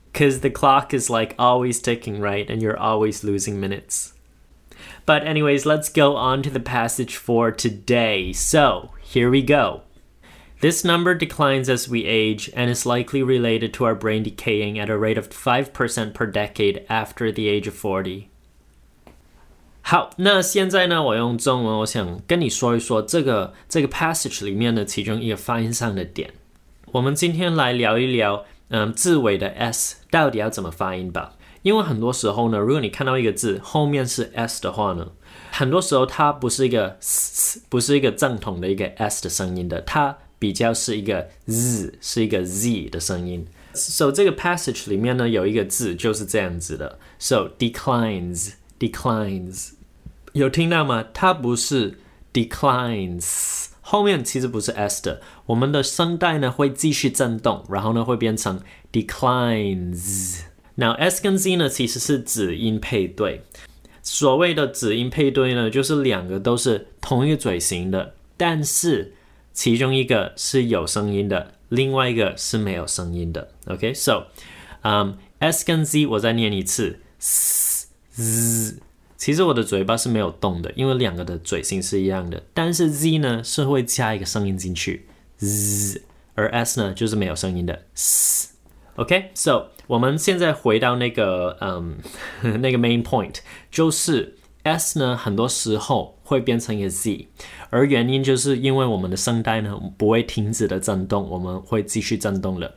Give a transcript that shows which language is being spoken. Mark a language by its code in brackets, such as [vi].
[en] Because the clock is like always ticking, right? And you're always losing minutes. But anyways, let's go on to the passage for today. So, here we go. This number declines as we age and is likely related to our brain decaying at a rate of 5% per decade after the age of 40. [zh] 好，那现在呢，我用中文，我想跟你说一说这个 passage 里面的其中一个发音上的点。我们今天来聊一聊字尾的 S 到底要怎么发音吧。因为很多时候呢，如果你看到一个字后面是 S 的话呢，很多时候它不是一个 S， 不是一个正统的一个 S 的声音的，它比较是一个 Z， 是一个 Z 的声音。 So 这个 passage 里面呢，有一个字就是这样子的。 So declines， declines， 有听到吗？它不是 declines。后面其实不是 S 的，我们的声带呢会继续震动，然后呢会变成 declines。 Now S 跟 Z 呢其实是子音配对，所谓的子音配对呢，就是两个都是同一个嘴型的，但是其中一个是有声音的，另外一个是没有声音的。 [en] Okay, so, [zh] S 跟 Z 我再念一次 ，s z。其实我的嘴巴是没有动的，因为两个的嘴型是一样的。但是 Z 呢是会加一个声音进去 ，z， 而 S 呢就是没有声音的 ，s。 [en] OK， so [zh] 我们现在回到那个那个 [en] main point， [zh] 就是 S 呢很多时候会变成一个 Z， 而原因就是因为我们的声带呢不会停止的震动，我们会继续震动的。